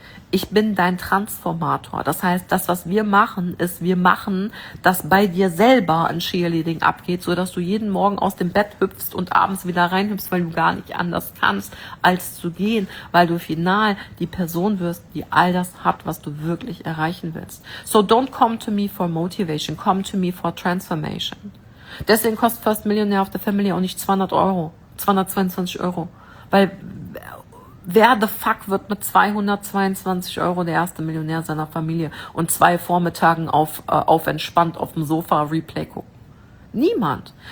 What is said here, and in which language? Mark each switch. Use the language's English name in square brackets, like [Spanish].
[German] Ich bin dein Transformator. Das heißt, das, was wir machen, ist, wir machen, dass bei dir selber ein Cheerleading abgeht, sodass du jeden Morgen aus dem Bett hüpfst und abends wieder reinhüpfst, weil du gar nicht anders kannst, als zu gehen, weil du final die Person wirst, die all das hat, was du wirklich erreichen willst. [English] So don't come to me for motivation, come to me for transformation. [German] Deswegen kostet First Millionaire of the Family auch nicht 222 €. Weil wer [English] the fuck [German] wird mit 222 € der erste Millionär seiner Familie und 2 Vormittagen auf entspannt auf dem Sofa Replay gucken? Niemand.